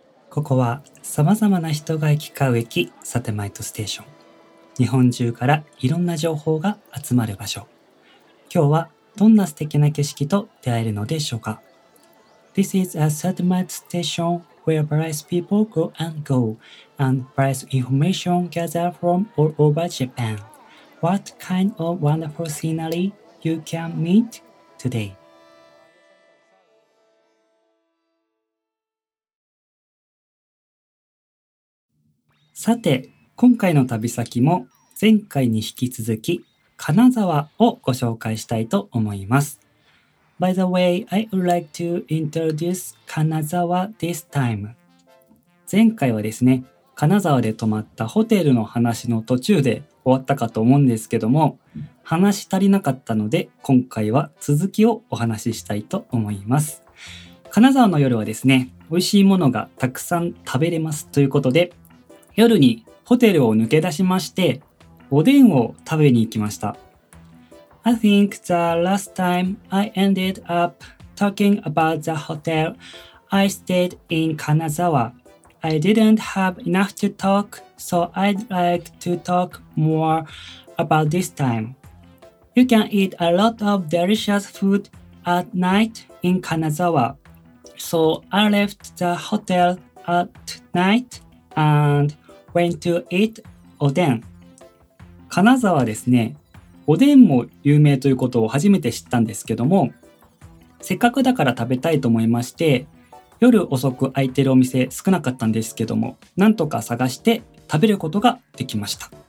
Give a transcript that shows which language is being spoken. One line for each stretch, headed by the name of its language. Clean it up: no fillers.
Japanese: ここはさまざまな人が行き交う駅、サテマイトステーション。日本中からいろんな情報が集まる場所。今日はどんな素敵な景色と出会えるのでしょうか。
English: This is a satellite station where various people go and go, and various information gathered from all over Japan. What kind of wonderful scenery you can meet today?
Japanese: さて、今回の旅先も前回に引き続き金沢をご紹介したいと思います。
English: By the way, I would like to introduce Kanazawa this time.
Japanese: 前回はですね、金沢で泊まったホテルの話の途中で終わったかと思うんですけども、話足りなかったので今回は続きをお話ししたいと思います。金沢の夜はですね、美味しいものがたくさん食べれますということで、夜にホテルを抜け出しまして、おでんを食べに行きました。
English: I think the last time I ended up talking about the hotel I stayed in Kanazawa, I didn't have enough to talk, so I'd like to talk more about this time. You can eat a lot of delicious food at night in Kanazawa, so I left the hotel at night and went to eat oden.
Japanese: 金沢はですね、おでんも有名ということを初めて知ったんですけども、せっかくだから食べたいと思いまして、夜遅く空いてるお店少なかったんですけども、なんとか探して食べることができました。